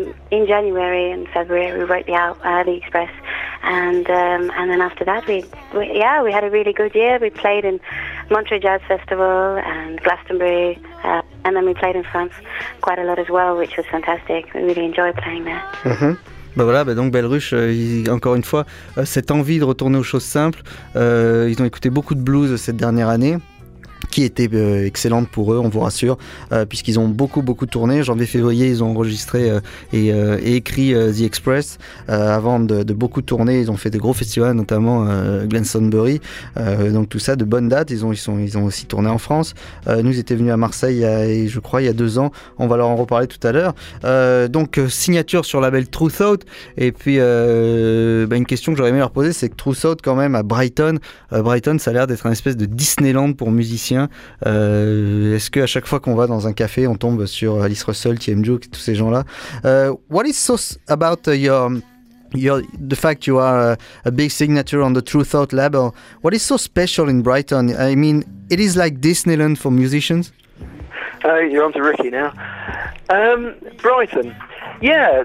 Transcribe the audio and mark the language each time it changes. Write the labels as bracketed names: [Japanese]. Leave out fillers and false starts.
[English] In January and February, we wrote the Express. And then after that, we had a really good year. We played in Montreux Jazz Festival and Glastonbury. And then we played in France quite a lot as well, which was fantastic. We really enjoyed playing there. Mm-hmm. [French] Ben voilà, ben donc Belruche, encore une fois, cette envie de retourner aux choses simples. Ils ont écouté beaucoup de blues cette dernière année, qui était excellente pour eux, on vous rassure, puisqu'ils ont beaucoup tourné. Janvier, février, ils ont enregistré et écrit The Express. Avant de beaucoup tourner, ils ont fait des gros festivals, notamment Glastonbury. Donc tout ça, de bonnes dates. Ils ont aussi tourné en France. Nous étions venus à Marseille, il y a 2 ans. On va leur en reparler tout à l'heure. Donc signature sur label True Thought. Et puis une question que j'aurais aimé leur poser, c'est que True Thought, quand même, à Brighton. Brighton, ça a l'air d'être une espèce de Disneyland pour musiciens. Est-ce que à chaque fois qu'on va dans un café, on tombe sur Alice Russell, TM Juke, tous ces gens-là? [English] What is so about the fact you are a big signature on the True Thought label? What is so special in Brighton? I mean, it is like Disneyland for musicians. You're on to Ricky now. Brighton, yeah.